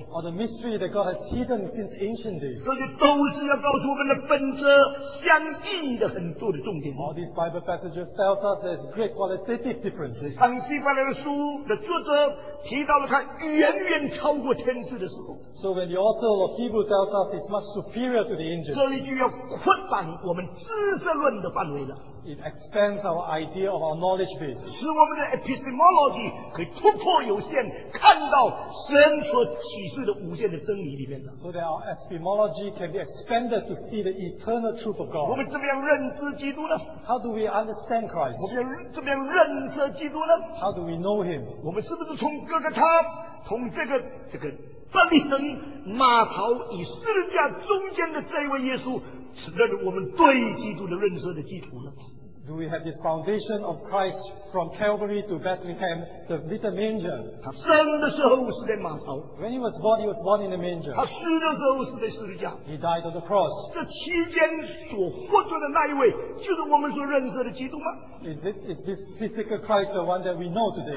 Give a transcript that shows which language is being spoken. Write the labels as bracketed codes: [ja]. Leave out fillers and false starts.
[en] Or the mystery that God has hidden since ancient days. [zh] 这些都是要告诉我们的本质相异的很多的重点。 [en] All these Bible passages tell us there's great qualitative differences. [zh] 当希伯来书的作者提到了他远远超过天使的时候。 [en] So when the author of Hebrew tells us it's much superior to the angels. [zh] 这里就要扩展我们知识论的范围了。 [en] It expands our idea of our knowledge base. [zh] 使我们的 epistemology 可以突破有限, 看到神所启示的无限的真理里面的。 [en] So that our epistemology can be expanded to see the eternal truth of God. [zh] 我们怎么样认知基督呢? [en] How do we understand Christ? [zh] 我们怎么样认识基督呢? [en] How do we know Him? [zh] 我们是不是从哥哥他, 从这个伯利恒马槽以十字架中间的这位耶稣, 是不是我们对基督的认识的基础呢? [en] Do we have this foundation of Christ from Calvary to Bethlehem, the little manger? When he was born in the manger. He died on the cross. Is this physical Christ the one that we know today?